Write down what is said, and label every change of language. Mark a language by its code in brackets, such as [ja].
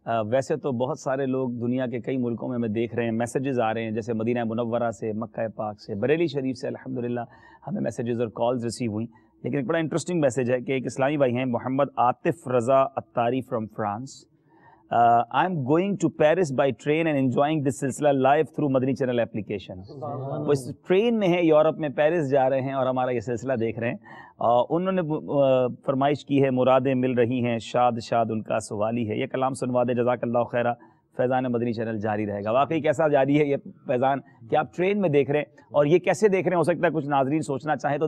[ur] ویسے تو بہت سارے لوگ دنیا کے کئی ملکوں میں ہمیں دیکھ رہے ہیں, میسیجز آ رہے ہیں, جیسے مدینہ منورہ سے, مکہ پاک سے, بریلی شریف سے, الحمدللہ ہمیں میسیجز اور کالز ریسیو ہوئیں. لیکن ایک بڑا انٹرسٹنگ میسیج ہے کہ ایک اسلامی بھائی ہیں محمد عاطف رضا اتاری [en] From France. I'm going to Paris by train and enjoying this silsila live through Madani channel application. [ur] وہ اس ٹرین میں ہیں, یورپ میں پیرس جا رہے ہیں اور ہمارا یہ سلسلہ دیکھ رہے ہیں. انہوں نے فرمائش کی ہے, مرادیں مل رہی ہیں, شاد شاد ان کا سوالی ہے, یہ کلام سنوا دیں, جزاک اللہ خیرہ, فیضان مدنی چینل جاری رہے گا. واقعی کیسا جاری ہے یہ فیضان کہ آپ ٹرین میں دیکھ رہے ہیں اور یہ کیسے دیکھ رہے ہیں, ہو سکتا ہے کچھ ناظرین سوچنا چاہیں.